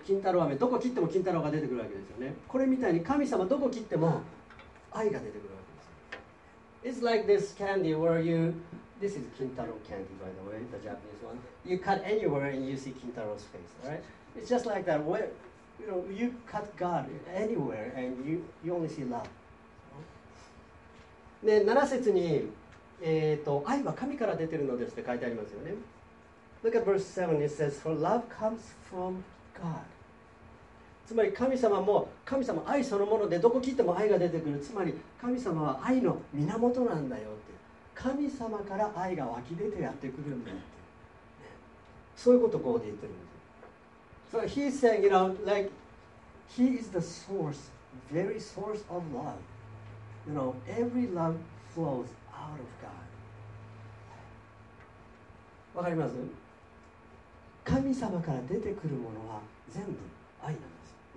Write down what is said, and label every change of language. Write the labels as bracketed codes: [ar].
[ja] 金太郎飴、どこ切っても金太郎が出てくるわけですよね。これみたいに神様どこ切っても愛が出てくるわけですよ。 [en] It's like this candy where you... This is Kintaro candy, by the way, the Japanese one. You cut anywhere and you see Kintaro's face, right? It's just like that. Where, you know, you cut God anywhere and you only see love. [ja] で、7節に、愛は神から出てるのですって書いてありますよね。 [en] Look at verse 7. It says, For love comes from God. [ja] つまり神様も、神様愛そのものでどこ聞いても愛が出てくる。つまり神様は愛の源なんだよ。神様から愛が湧き出てやってくるんだって、そういうことをここで言ってるんです。 [en] So he's saying, you know, like he is the source, very source of love. You know, every love flows out of God. [ja] わかります？神様から出てくるものは全部愛なんです。